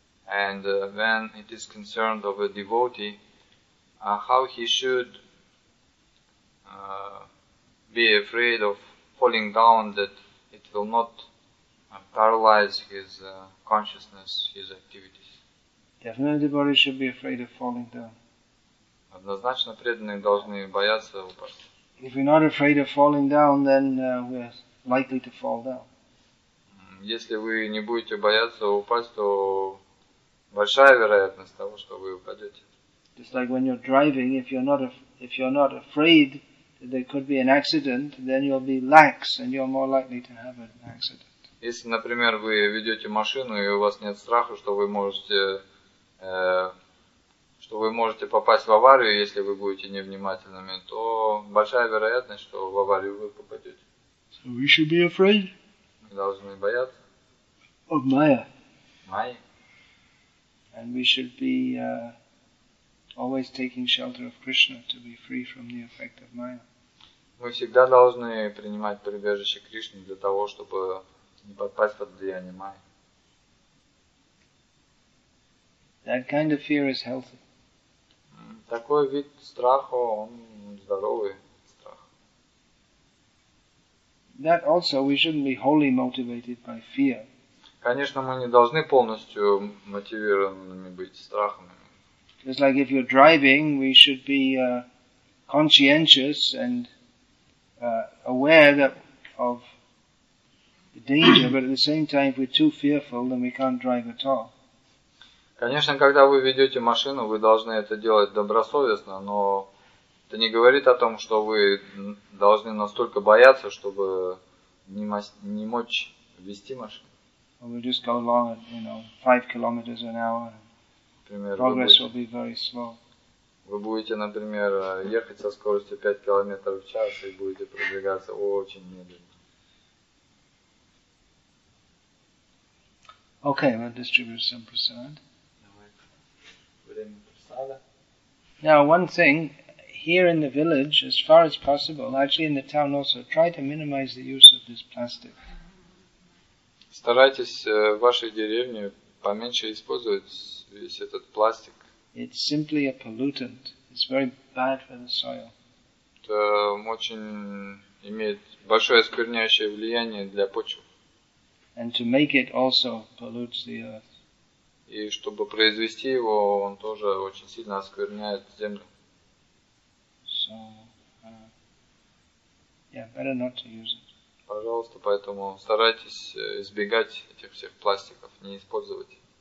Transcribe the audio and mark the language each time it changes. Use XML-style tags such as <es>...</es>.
<en>And when it is concerned of a devotee, how he should be afraid of falling down, that it will not paralyze his consciousness, his activities. Definitely, devotee should be afraid of falling down.</en> <ru>Однозначно преданные должны бояться упасть.</ru> <en>If we're not afraid of falling down, then we're likely to fall down.</en> <ru>Если вы не будете бояться упасть, то большая вероятность того, что вы упадете.</ru> <en>Just like when you're driving, if you're not afraid that there could be an accident, then you'll be lax and you're more likely to have an accident.</en> <ru>Если, например, вы ведете машину и у вас нет страха, что вы можете попасть в аварию, если вы будете невнимательными, то большая вероятность, что в аварию вы попадете.</ru> <en>So we should be afraid.</en> <ru>Мы должны бояться.</ru> <en>Of Maya. Maya. And we should be always taking shelter of Krishna to be free from the effect of Maya.</en> <ru>Мы всегда должны принимать прибежище Кришны для того, чтобы не подпасть под влияние майи.</ru> <en>That kind of fear is healthy.</en> <ru>Такой вид страха, он здоровый страх.</ru> <en>That also we shouldn't be wholly motivated by fear.</en> <ru>Конечно, мы не должны полностью мотивированными быть страхами.</ru> <en>Just like if you're driving, we should be conscientious and aware that of danger, but at the same time, if we're too fearful, then we can't drive at all.</en> <ru>Конечно, когда вы ведете машину, вы должны это делать добросовестно, но это не говорит о том, что вы должны настолько бояться, чтобы не мочь вести машину.</ru> <en>Or we'll just go along at, you know, 5 kilometers an hour.</en> <ru>Например,</ru> <en>progress will be very slow.</en> <ru>Вы будете, например, ехать со скоростью 5 километров в час и будете продвигаться очень медленно.</ru> <en>Okay, we'll distribute some prasad. Now, one thing, here in the village, as far as possible, actually in the town also, try to minimize the use of this plastic.</en> <ru>Старайтесь в вашей деревне поменьше использовать весь этот пластик.</ru> <en>It's simply a pollutant. It's very bad for the soil.</en> <ru>Это очень имеет большое оскверняющее влияние для почвы.</ru> <en>And to make it also pollutes the earth.</en> <ru>И чтобы произвести его, он тоже очень сильно оскверняет землю.</ru> <en>So, yeah, better not to use it.</en> <ru>Пожалуйста, поэтому старайтесь избегать этих всех пластиков, не использовать.</ru>